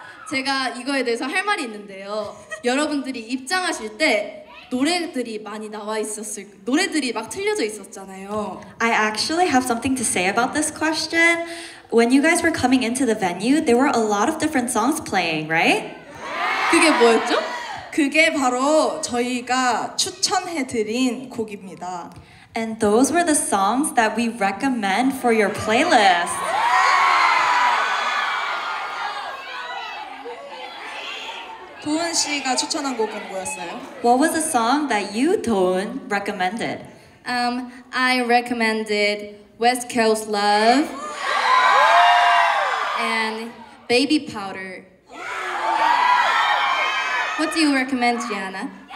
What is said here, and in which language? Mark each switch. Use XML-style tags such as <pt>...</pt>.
<ko>제가 이거에 대해서 할 말이 있는데요. 여러분들이 입장하실 때 노래들이 많이 나와 있었을 노래들이 막 틀려져 있었잖아요.</ko> <en>I actually have something to say about this question. When you guys were coming into the venue, there were a lot of different songs playing, right?</en> <ko>그게 뭐였죠? 그게 바로 저희가 추천해드린 곡입니다.</ko> <en>And those were the songs that we recommend for your playlist.</en> <ko>도은 씨가 추천한 곡은 뭐였어요?</ko> <en>What was the song that you, 도은, recommended? I recommended West Coast Love and Baby Powder. What do you recommend, YENA?</en>